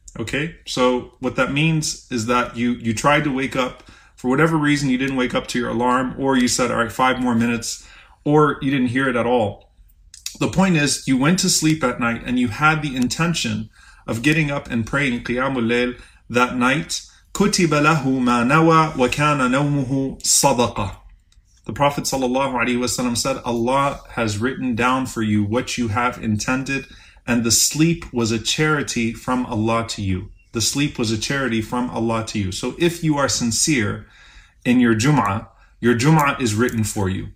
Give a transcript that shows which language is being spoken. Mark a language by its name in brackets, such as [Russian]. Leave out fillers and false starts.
[English] Okay, so what that means is that you tried to wake up. For whatever reason, you didn't wake up to your alarm, or you said, all right, five more minutes, or you didn't hear it at all. The point is, you went to sleep at night and you had the intention of getting up and praying قيام الليل that night. [Arabic] كتب له ما نوى وكان نومه صدقة. [English] The Prophet sallallahu alaihi wasallam said, Allah has written down for you what you have intended, and the sleep was a charity from Allah to you. The sleep was a charity from Allah to you. So if you are sincere in your Jum'ah is written for you.